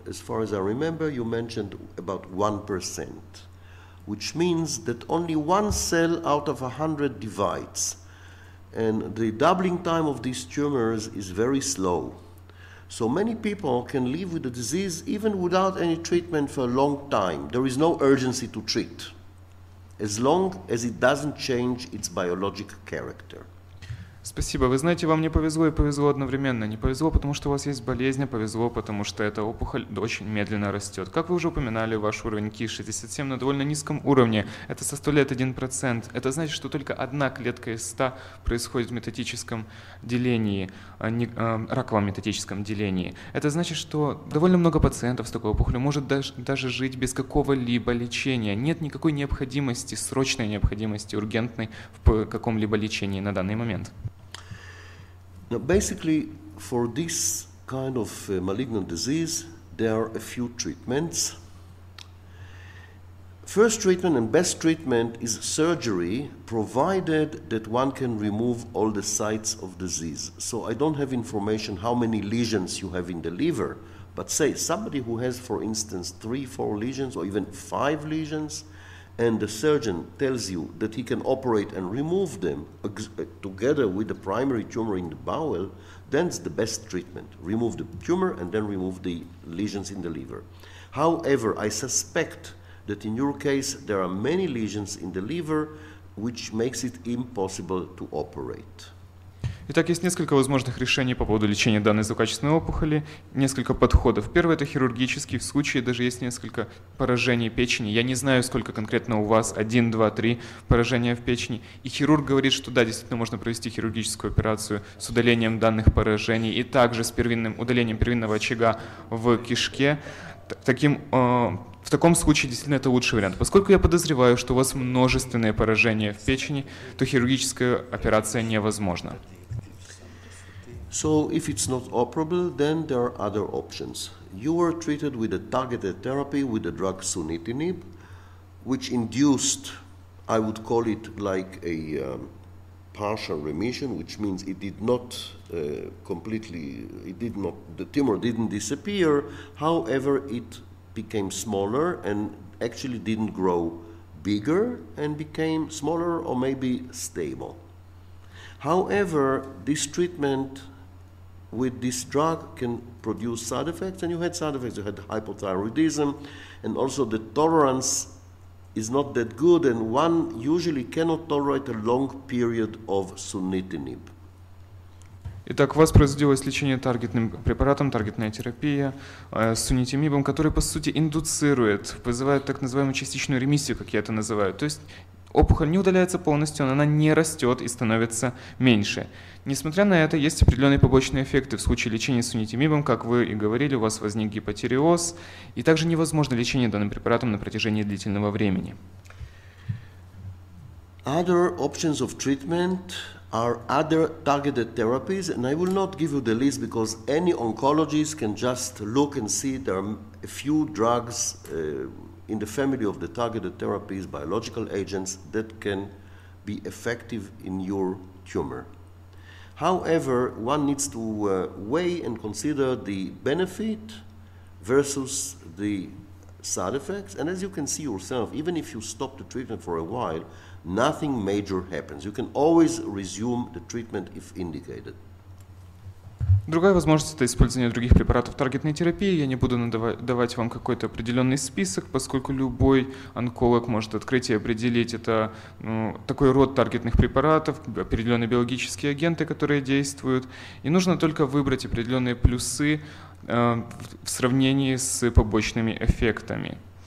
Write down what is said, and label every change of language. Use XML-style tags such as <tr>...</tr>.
<en>As far as I remember, you mentioned about 1%, which means that only one cell out of 100 divides, and the doubling time of these tumors is very slow. So many people can live with the disease even without any treatment for a long time. There is no urgency to treat, as long as it doesn't change its biological character.</en> <ru>Спасибо. Вы знаете, вам не повезло и повезло одновременно. Не повезло, потому что у вас есть болезнь, а повезло, потому что эта опухоль очень медленно растет. Как вы уже упоминали, ваш уровень KI-67 на довольно низком уровне. Это составляет 1%. Это значит, что только одна клетка из 100 происходит в метатическом делении, раковом метатическом делении. Это значит, что довольно много пациентов с такой опухолью может даже жить без какого-либо лечения. Нет никакой необходимости, срочной необходимости, ургентной в каком-либо лечении на данный момент.</ru> <en>Now, basically, for this kind of malignant disease, there are a few treatments. First treatment and best treatment is surgery, provided that one can remove all the sites of disease. So I don't have information how many lesions you have in the liver, but say somebody who has, for instance, 3-4 lesions or even 5 lesions, and the surgeon tells you that he can operate and remove them together with the primary tumor in the bowel, that's the best treatment. Remove the tumor and then remove the lesions in the liver. However, I suspect that in your case, there are many lesions in the liver, which makes it impossible to operate.</en> <ru>Итак, есть несколько возможных решений по поводу лечения данной злокачественной опухоли, несколько подходов. Первый – это хирургический, в случае даже есть несколько поражений печени. Я не знаю, сколько конкретно у вас, 1, 2, 3 поражения в печени. И хирург говорит, что да, действительно можно провести хирургическую операцию с удалением данных поражений и также с первинным удалением первинного очага в кишке. В таком случае действительно это лучший вариант. Поскольку я подозреваю, что у вас множественные поражения в печени, то хирургическая операция невозможна.</ru> <en>So if it's not operable, then there are other options. You were treated with a targeted therapy with the drug sunitinib, which induced, I would call it like a partial remission, which means it did not completely, it did not, the tumor didn't disappear. However, it became smaller and actually didn't grow bigger and became smaller or maybe stable. However, this treatment with this drug can produce side effects, and you had side effects. You had hypothyroidism, and also the tolerance is not that good, and one usually cannot tolerate a long period of sunitinib.</en> <ru>Итак, воспроизводилось лечение таргетным препаратом, таргетная терапия с сунитимибом, который, по сути, индуцирует, вызывает так называемую частичную ремиссию, как я это называю. То есть опухоль не удаляется полностью, она не растет и становится меньше. Несмотря на это, есть определенные побочные эффекты. В случае лечения сунитимибом, как вы и говорили, у вас возник гипотиреоз, и также невозможно лечение данным препаратом на протяжении длительного времени.</ru> <en>Other options of treatment are other targeted therapies, and I will not give you the list because any oncologist can just look and see there are a few drugs in the family of the targeted therapies, biological agents, that can be effective in your tumor. However, one needs to weigh and consider the benefit versus the side effects, and as you can see yourself, even if you stop the treatment for a while, nothing major happens. You can always resume the treatment if indicated.</en> <ru>Другая возможность – это использование других препаратов таргетной терапии. Я не буду давать вам какой-то определенный список, поскольку любой онколог может открыть и определить. Это такой род таргетных препаратов, определенные биологические агенты, которые действуют. И нужно только выбрать определенные плюсы в сравнении с побочными эффектами.</ru>